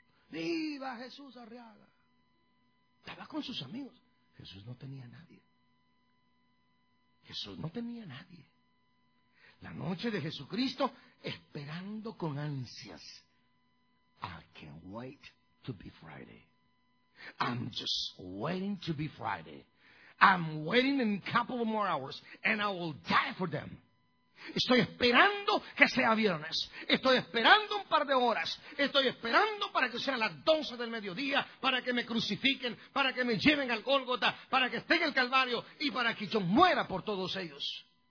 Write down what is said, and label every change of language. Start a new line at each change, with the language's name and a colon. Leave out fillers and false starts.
Spanish: ¡Viva Jesús Arriaga! Estaba con sus amigos. Jesús no tenía nadie. Jesús no tenía nadie. La noche de Jesucristo, esperando con ansias.
English: I can't wait to be Friday. I'm just waiting to be Friday. I'm waiting in a couple more hours, and I will die for them.
Spanish: Estoy esperando que sea viernes. Estoy esperando un par de horas. Estoy esperando para que sean las 12 del mediodía, para que me crucifiquen, para que me lleven al Gólgota, para que esté en el Calvario, y para que yo muera por todos ellos.